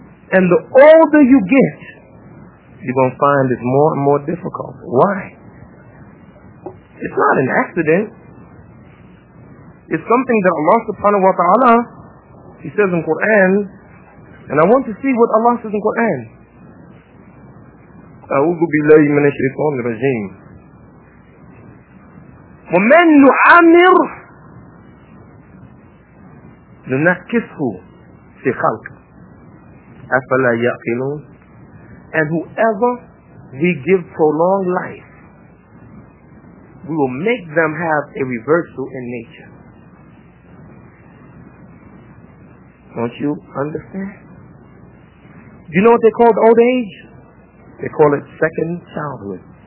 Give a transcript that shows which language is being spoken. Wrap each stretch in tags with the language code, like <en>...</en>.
<en>And the older you get, you're going to find it more and more difficult. Why? It's not an accident. It's something that Allah subhanahu wa ta'ala, He says in Quran, and I want to see what Allah says in Quran.</en> <ar>أعوذ بالله من الشيطان الرجيم. ومن نعمر ننكسه في خلق أفلا يعقلون.</ar> <en>And whoever we give prolonged life, we will make them have a reversal in nature. Don't you understand? Do you know what they call old age? They call it second childhood.</en>